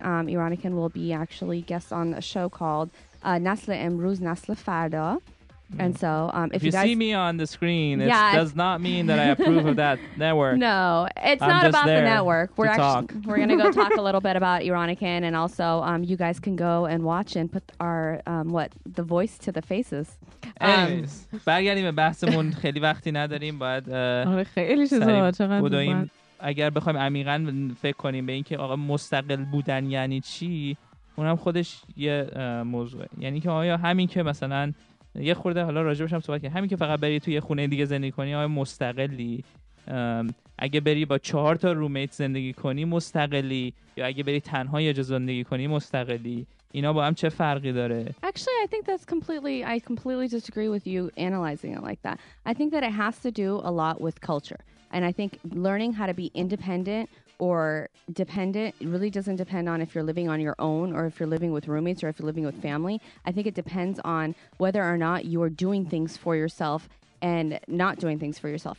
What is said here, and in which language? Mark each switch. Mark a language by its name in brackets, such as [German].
[English] Ironican will be actually guest on a show called Nasle Emruz Nasle Farda. And so if you see me on the screen, it does not mean that I approve of that network. No, it's I'm not about the network. We're to actually talk. We're going to go talk a little bit about Ironican, and also you guys can go and watch and put our the voice to the faces. [Persian] Anyways, برگردیم به بحثمون. خیلی وقتی نداریم، باید خیلی چیزا چقدر بودیم. اگر بخوایم عمیقا فکر کنیم به اینکه آقا مستقل بودن یعنی چی، اونم خودش یه موضوعه. یعنی که آیا همین که مثلا یه خورده حالا راجبش هم صحبت کنیم، همین که فقط بری توی یه خونه دیگه زندگی کنی، آیا مستقلی؟ اگه بری با 4 تا رومیت زندگی کنی مستقلی، یا اگه بری تنها یه جا زندگی کنی مستقلی؟ اینا با هم چه فرقی داره؟ [English] Actually, I think that's completely, I completely disagree with you analyzing it like that. I think that it has to do a lot with culture. And I think learning how to be independent or dependent, it really doesn't depend on if you're living on your own or if you're living with roommates or if you're living with family. I think it depends on whether or not you are doing things for yourself and not doing things for yourself.